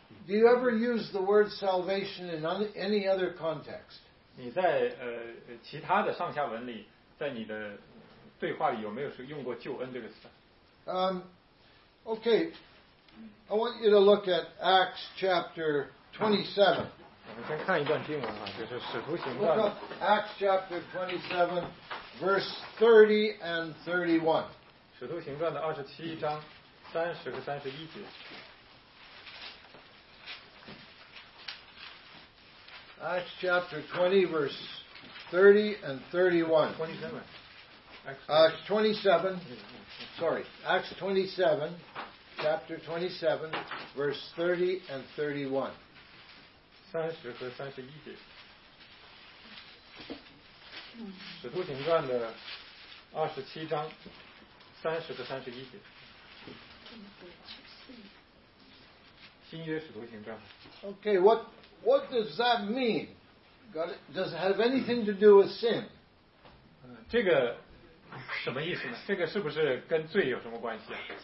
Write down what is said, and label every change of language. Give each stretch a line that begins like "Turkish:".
English: Do you ever use the word salvation in any other context?
Chinese: 你在其他的上下文里，在你的对话里有没有用过救恩这个词？
English: Okay. I want you to look at Acts chapter 27.
Chinese: 我们先看一段经文啊，就是《使徒行传》。
English: Look up Acts chapter 27, verse 30 and 31.
Chinese: 使徒行传的二十七章三十和三十一节。
English: Acts chapter 20, verse 30 and 31. 27. Acts 27. Sorry, Acts 27. Chapter 27, verse 30 and 31.
Chinese: 30和三十一节。使徒行传的二十七章，三十和三十一节。新约使徒行传。
English: Okay, what does that mean? Does it have anything to do with sin?
Chinese: 这个什么意思呢？这个是不是跟罪有什么关系啊？